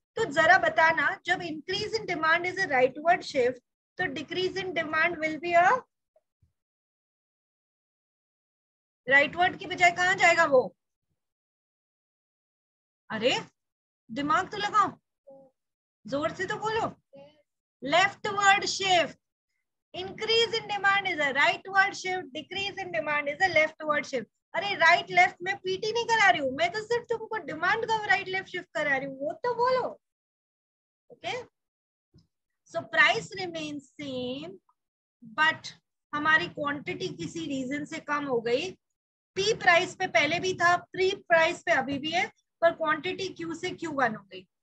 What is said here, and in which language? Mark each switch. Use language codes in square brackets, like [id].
[hi] तो जरा बताना, जब [en] increase in demand is a rightward shift, तो decrease in demand will be a rightward [hi] की बजाय कहाँ जाएगा वो? अरे, दिमाग तो लगाओ, जोर से तो बोलो. [en] Leftward shift. Increase in demand is a rightward shift. Decrease in demand is a leftward shift. [hi] अरे right left मैं PT नहीं करा रही हूँ. मैं तो सिर्फ तुमको demand का right left shift करा रही हूँ. वो तो बोलो. Okay? [en] So price remains same, but [hi] हमारी [en] quantity किसी reason [hi] से कम हो गई. P price पे पहले भी था, pre price पे अभी भी है, पर quantity Q से Q1 हो गई.